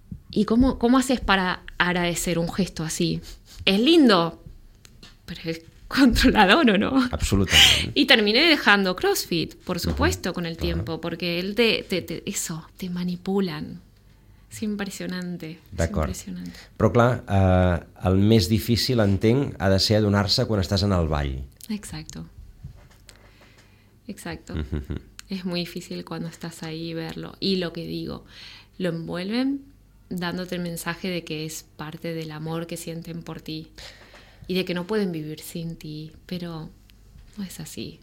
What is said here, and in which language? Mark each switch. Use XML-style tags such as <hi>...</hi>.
<es>¿Y cómo haces para agradecer un gesto así? Es lindo, pero es controlador, ¿o no? Absolutamente. Y terminé dejando CrossFit, por supuesto, uh-huh, con el tiempo, uh-huh, porque él te manipulan.</es> <ca>És impressionant. D'acord. Però clar, el més difícil, entenc, ha de ser adonar-se quan estàs en el ball.</ca> <es>Exacto. Exacto. Es muy difícil cuando estás ahí verlo. Y lo que digo, lo envuelven dándote el mensaje de que es parte del amor que sienten por ti y de que no pueden vivir sin ti, pero no es así.</es>